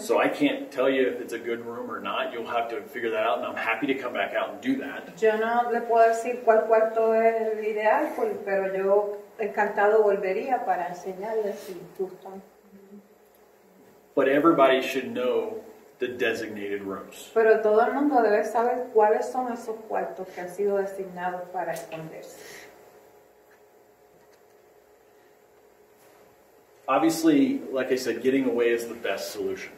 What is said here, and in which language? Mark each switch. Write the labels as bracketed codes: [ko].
[en] So I can't tell you if it's a good room or not. You'll have to figure that out, and I'm happy to come back out and do that. [es] Yo no le puedo decir cuál cuarto es el ideal, pero yo encantado volvería para enseñarles si gusto. [en] But everybody should know the designated rooms. [es] Pero todo el mundo debe saber cuáles son esos cuartos que han sido designados para esconderse. [en] Obviously, like I said, getting away is the best solution.